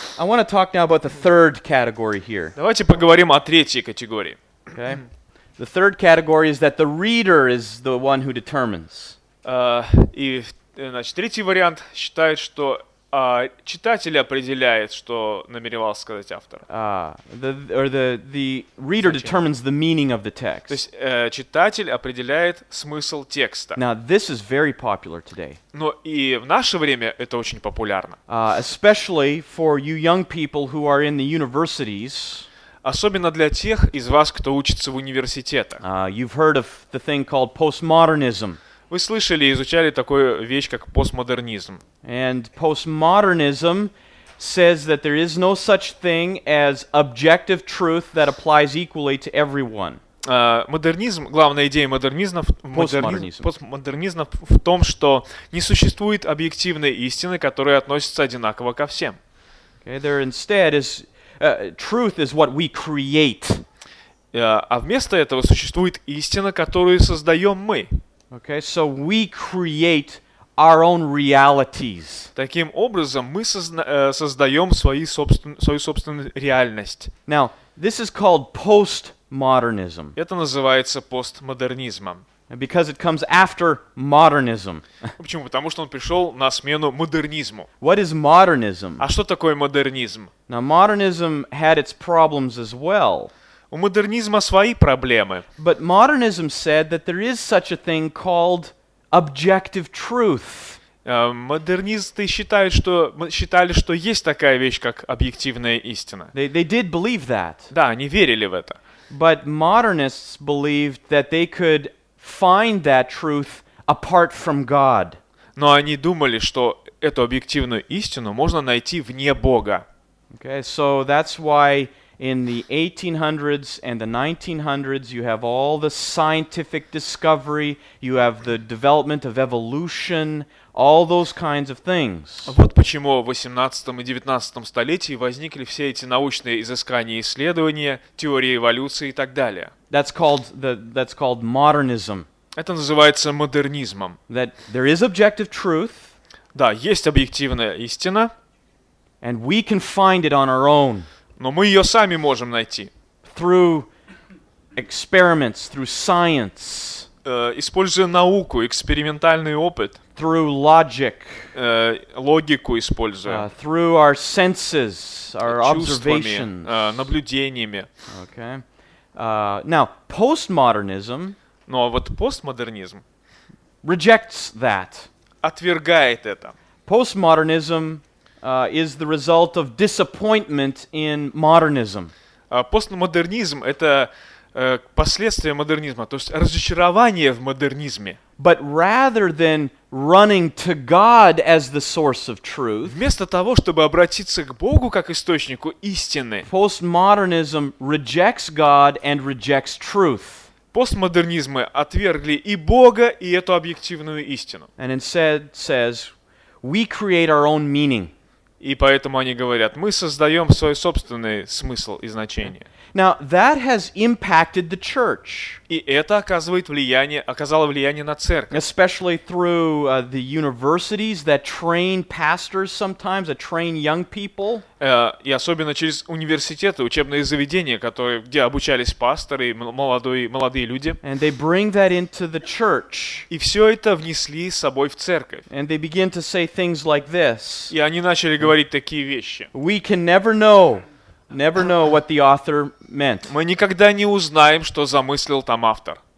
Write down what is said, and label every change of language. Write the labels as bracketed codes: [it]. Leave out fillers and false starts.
[en] I want to talk now about the third category here. [ru] Давайте поговорим о третьей категории. [en] Okay. The third category is that the reader is the one who determines. [ru] Третий вариант считает, что читатель определяет, что намеревался сказать автор. [en] The reader determines the meaning of the text. [ru] То есть читатель определяет смысл текста. [en] Now this is very popular today. [ru] Но и в наше время это очень популярно. [en] Especially for you young people who are in the universities. [ru] Особенно для тех из вас, кто учится в университетах. [en] You've heard of the thing called postmodernism. [ru] Вы слышали, изучали такую вещь, как постмодернизм. [en] And postmodernism says that there is no such thing as objective truth that applies equally to everyone. [ru] Модернизм, главная идея модернизма, постмодернизма в том, что не существует объективной истины, которая относится одинаково ко всем. [en] Okay, there instead is truth is what we create. [ru] А вместо этого существует истина, которую создаем мы. [en] Okay, so we create our own realities. [ru] Таким образом, мы создаем свою собственную реальность. [en] Now, this is called postmodernism. [ru] Это называется постмодернизмом. [en] Because it comes after modernism. [ru] Почему? Потому что он пришел на смену модернизму. [en] What is modernism? [ru] А что такое модернизм? [en] Now, modernism had its problems as well. [ru] У модернизма свои проблемы. [en] But modernism said that there is such a thing called objective truth. [ru] Модернисты считали, что есть такая вещь, как объективная истина. [en] They did believe that. [ru] Да, они верили в это. [en] But modernists believed that they could find that truth apart from God. [ru] Но они думали, что эту объективную истину можно найти вне Бога. [en] Okay, so that's why In the 1800s and the 1900s, you have all the scientific discovery, you have the development of evolution, all those kinds of things. [ru] Вот почему в 18 и 19 столетии возникли все эти научные изыскания и исследования, теории эволюции и так далее. [en] That's called modernism. [ru] Это называется модернизмом. [en] That there is objective truth. [ru] Да, есть объективная истина. [en] And we can find it on our own. [ru] Но мы ее сами можем найти. [en] Through experiments, through science. [ru] Используя науку, экспериментальный опыт. [en] Through logic. [ru] Логику используя. [en] Through our senses, our observations. [ru] Наблюдениями. [en] Okay. Now, postmodernism. [ru] Ну а вот постмодернизм. [en] Rejects that. [ru] Отвергает это. [en] Postmodernism. Is the result of disappointment in modernism. [ru] Постмодернизм — это последствия модернизма, то есть разочарование в модернизме. [en] But rather than running to God as the source of truth, [ru] вместо того, чтобы обратиться к Богу как источнику истины, [en] postmodernism rejects God and rejects truth. [ru] Постмодернизмы отвергли и Бога, и эту объективную истину. [en] And instead says, we create our own meaning. [ru] И поэтому они говорят, мы создаем свой собственный смысл и значение. [en] Now, that has impacted the church. [ru] И это оказывает влияние, оказало влияние на церковь. [en] Especially through the universities that train pastors sometimes, that train young people. [ru] И особенно через университеты, учебные заведения, которые, где обучались пасторы и молодые люди. [en] And they bring that into the church. [ru] И все это внесли с собой в церковь. [en] And they begin to say things like this. [ru] И они начали говорить такие вещи. [en] We can never know. Never know what the author meant. [ru] Мы никогда не узнаем, что замыслил там автор.